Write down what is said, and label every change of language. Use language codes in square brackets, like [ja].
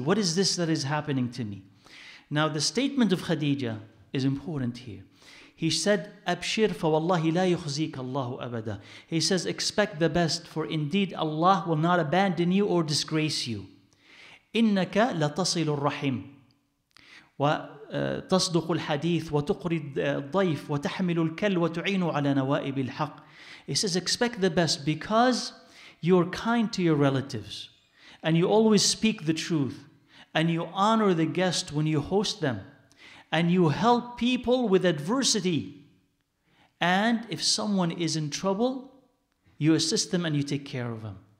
[en] What is this that is happening to me? Now, the statement of Khadija is important here. He said, [ar] Abshir fa wallahi la yukhzik Allahu abada. [en] He says, expect the best, for indeed Allah will not abandon you or disgrace you. [ar] Innaka latasilur rahim. وتصدق الحديث وتقري الضيف وتحمل الكل وتعين على نوائب الحق. [en] He says, expect the best because you are kind to your relatives and you always speak the truth and you honor the guest when you host them and you help people with adversity. And if someone is in trouble, you assist them and you take care of them.